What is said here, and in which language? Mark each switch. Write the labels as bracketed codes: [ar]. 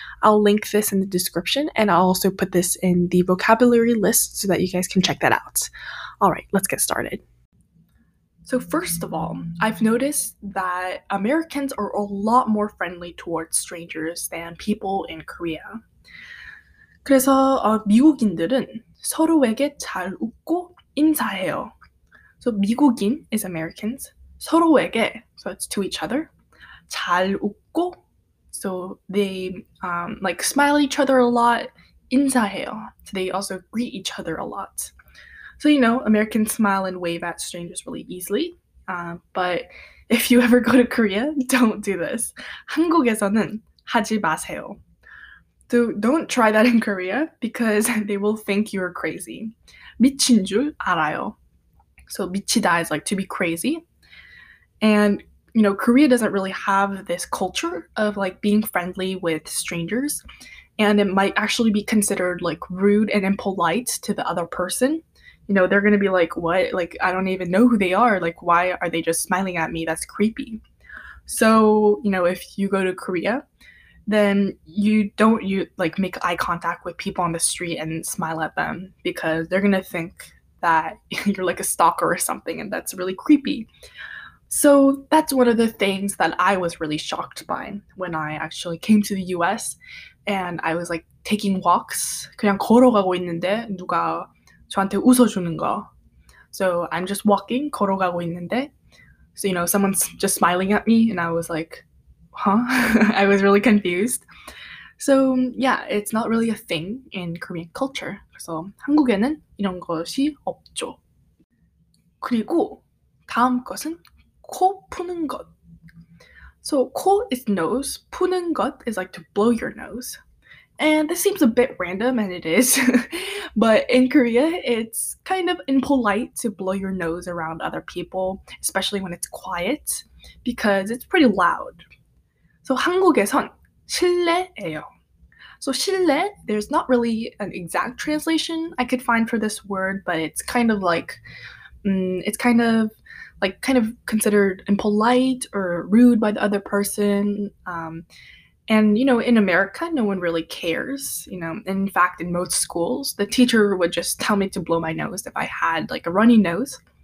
[en] I'll link this in the description, and I'll also put this in the vocabulary list so that you guys can check that out. All right, let's get started. So first of all, I've noticed that Americans are a lot more friendly towards strangers than people in Korea. [ko] 그래서 미국인들은 서로에게 잘 웃고 인사해요. [en] So 미국인 is Americans. [ko] 서로에게, [en] so it's to each other. [ko] 잘 웃고, [en] so they like smile at each other a lot. 인사해요. So they also greet each other a lot. So, you know, Americans smile and wave at strangers really easily. But if you ever go to Korea, don't do this. [ko] 한국에서는 하지 마세요. [en] So don't try that in Korea because they will think you're crazy. [ko] 미친 줄 알아요. [en] So 미치다 is like to be crazy. And, you know, Korea doesn't really have this culture of like being friendly with strangers. And it might actually be considered like rude and impolite to the other person. You know, they're going to be like, what? Like, I don't even know who they are. Like, why are they just smiling at me? That's creepy. So, you know, if you go to Korea, then you don't make eye contact with people on the street and smile at them because they're going to think that you're like a stalker or something, and that's really creepy. So that's one of the things that I was really shocked by when I actually came to the U.S. and I was like taking walks. [ko] 그냥 걸어가고 있는데 누가 저한테 웃어주는 거. [en] So I'm just walking, [ko] 걸어가고 있는데. [en] So, you know, someone's just smiling at me and I was like, huh? I was really confused. So yeah, it's not really a thing in Korean culture. [ko] So 한국에는 이런 것이 없죠. 그리고 다음 것은 코 푸는 것. [en] So 코 is nose, [ko] 푸는 것 [en] is like to blow your nose. And this seems a bit random, and it is, but in Korea, it's kind of impolite to blow your nose around other people, especially when it's quiet, because it's pretty loud. [ko] So 한국에선 실례예요. [en] So 실례, there's not really an exact translation I could find for this word, but it's kind of like, it's kind of considered impolite or rude by the other person. And, you know, in America, no one really cares, you know. In fact, in most schools, the teacher would just tell me to blow my nose if I had, like, a runny nose.